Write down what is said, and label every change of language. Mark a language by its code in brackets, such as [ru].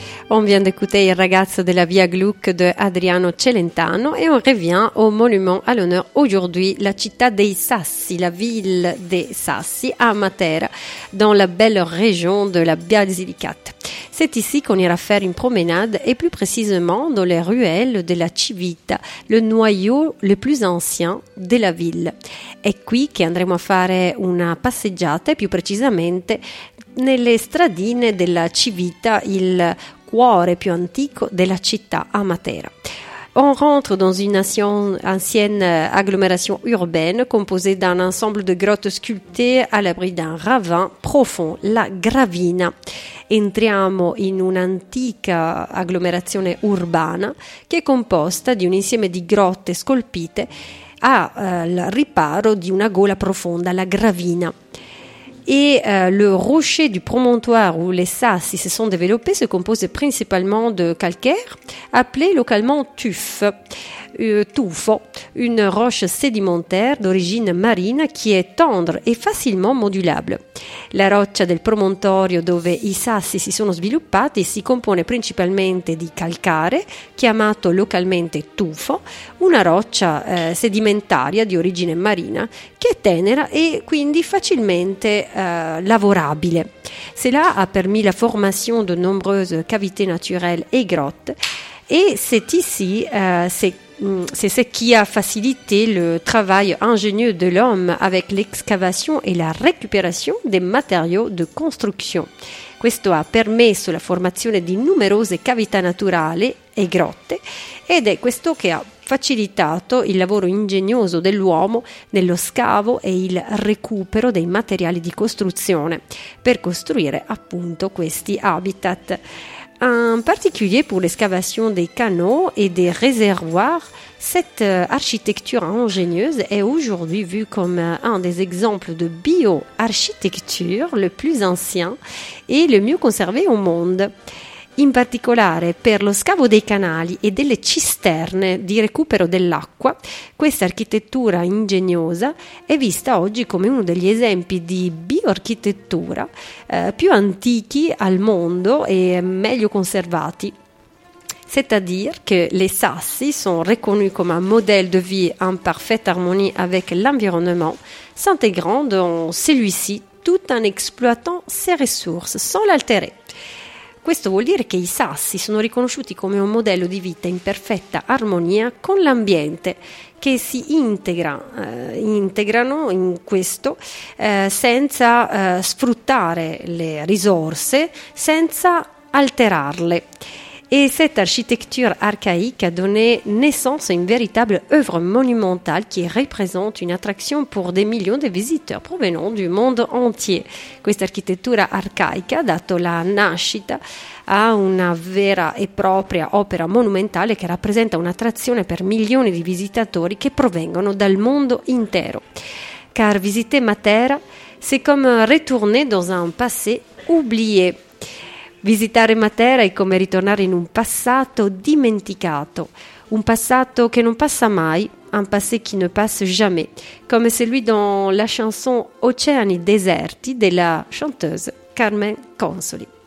[fr] On vient d'écouter Il ragazzo della Via Gluck de Adriano Celentano et on revient au monument à l'honneur aujourd'hui, [it] la città dei Sassi, [fr] la ville des Sassi à Matera, dans la belle région de la Basilicate. C'est ici qu'on ira faire une promenade et plus précisément dans les ruelles de la Civita, le noyau le plus ancien de la ville. [it] È qui che andremo a fare una passeggiata e più precisamente nelle stradine della Civita, il cuore più antico della città a Matera. [fr] On rentre dans une ancienne agglomération urbaine composée d'un ensemble de grottes sculptées à l'abri d'un ravin profond, la Gravina. [it] Entriamo in un'antica agglomerazione urbana che è composta di un insieme di grotte scolpite al riparo di una gola profonda, la Gravina. [fr] Et le rocher du promontoire où les Sassi se sont développés se compose principalement de calcaire, appelé localement tufo, une roche sédimentaire d'origine marine qui est tendre et facilement modulable. [it] La roccia del promontorio dove i Sassi si sono sviluppati si compone principalmente di calcare, chiamato localmente tufo, una roccia sedimentaria di origine marina che è tenera e quindi facilmente lavorabile. [fr] Cela a permis la formation de nombreuses cavités naturelles et grottes et c'est ici c'est ce qui a facilité le travail ingénieux de l'homme avec l'excavation et la récupération des matériaux de construction. [it] Questo ha permesso la formazione di numerose cavità naturali e grotte ed è questo che ha facilitato il lavoro ingegnoso dell'uomo nello scavo e il recupero dei materiali di costruzione per costruire appunto questi habitat. [fr] En particulier pour l'excavation des canaux et des réservoirs, cette architecture ingénieuse est aujourd'hui vue comme un des exemples de bio-architecture le plus ancien et le mieux conservé au monde. [it] In particolare per lo scavo dei canali e delle cisterne di recupero dell'acqua, questa architettura ingegnosa è vista oggi come uno degli esempi di bioarchitettura più antichi al mondo e meglio conservati. [fr] C'est-à-dire que les Sassi sont reconnus comme un modèle de vie en parfaite harmonie avec l'environnement, s'intégrant dans celui-ci tout en exploitant ses ressources sans l'altérer. [it] Questo vuol dire che i Sassi sono riconosciuti come un modello di vita in perfetta armonia con l'ambiente, che si integrano in questo senza sfruttare le risorse, senza alterarle. [fr] Et cette architecture archaïque a donné naissance à une véritable œuvre monumentale qui représente une attraction pour des millions de visiteurs provenant du monde entier. [it] Questa architettura arcaica ha dato la nascita a una vera e propria opera monumentale che rappresenta un'attrazione per milioni di visitatori che provengono dal mondo intero. [fr] Car visiter Matera, c'est comme retourner dans un passé oublié. [it] Visitare Matera è come ritornare in un passato dimenticato, un passato che non passa mai, [fr] un passé qui ne passe jamais, [it] come [fr] celui dans la chanson [it] Oceani deserti della [fr] chanteuse [it] Carmen Consoli.